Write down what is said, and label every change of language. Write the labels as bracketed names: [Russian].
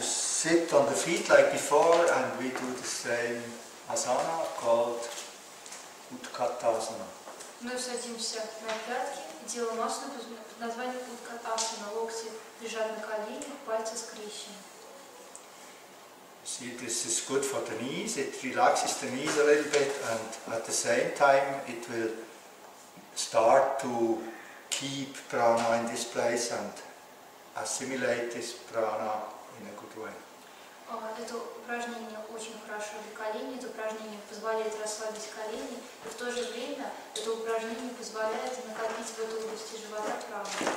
[English] sit on the feet like before, and we do the same asana called Utkatasana. [Russian] Мы садимся на пятки, делаем асану под названием Utkatasana. Локти лежат на коленях, пальцы скрещены. [English] See, this is good for the knees, it relaxes the knees a little bit, and at the same time it will start to keep prana in this place and assimilate this prana in a good way. [Russian] Это упражнение очень хорошо для колени, это упражнение позволяет расслабить колени, и в то же время это упражнение позволяет накопить в этой области живота прану.